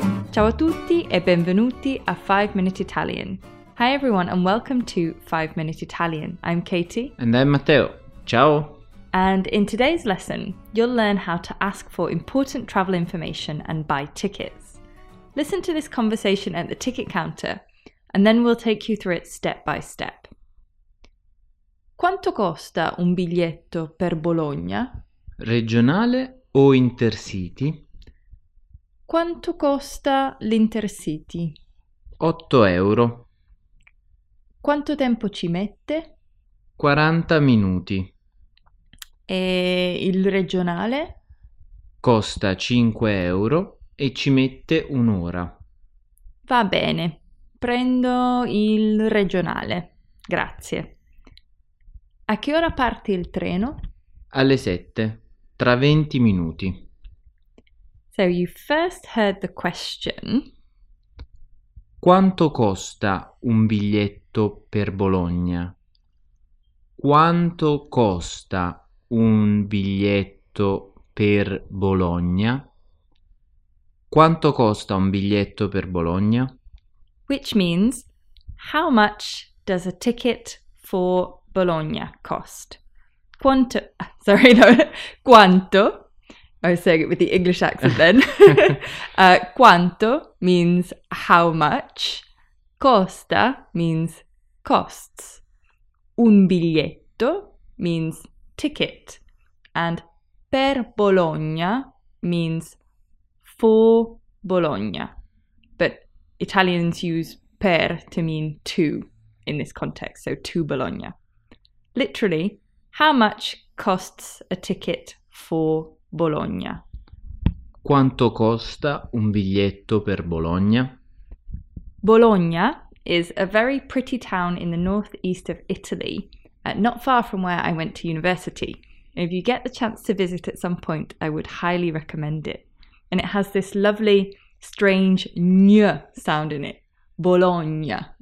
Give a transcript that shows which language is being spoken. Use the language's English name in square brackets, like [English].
[Italian] Ciao a tutti e benvenuti a 5 Minute Italian. [English] Hi everyone and welcome to 5 Minute Italian. I'm Katie. And I'm Matteo. Ciao. And in today's lesson, you'll learn how to ask for important travel information and buy tickets. Listen to this conversation at the ticket counter and then we'll take you through it step by step. [Italian] Quanto costa un biglietto per Bologna? Regionale o Intercity? Quanto costa l'Intercity? 8 euro. Quanto tempo ci mette? 40 minuti. E il regionale? Costa 5 euro e ci mette un'ora. Va bene, prendo il regionale. Grazie. A che ora parte il treno? Alle 7, tra 20 minuti. [English] So you first heard the question. [Italian] Quanto costa un biglietto per Bologna? Quanto costa un biglietto per Bologna? Quanto costa un biglietto per Bologna? [English] Which means, how much does a ticket for Bologna cost? Quanto? I was saying it with the English accent then. quanto means how much. Costa means costs. Un biglietto means ticket. And per Bologna means for Bologna. But Italians use per to mean to in this context, so to Bologna. Literally, how much costs a ticket for Bologna. [Italian] Quanto costa un biglietto per Bologna? [English] Bologna is a very pretty town in the northeast of Italy, not far from where I went to university. If you get the chance to visit at some point, I would highly recommend it. And it has this lovely, strange gnu sound in it. Bologna.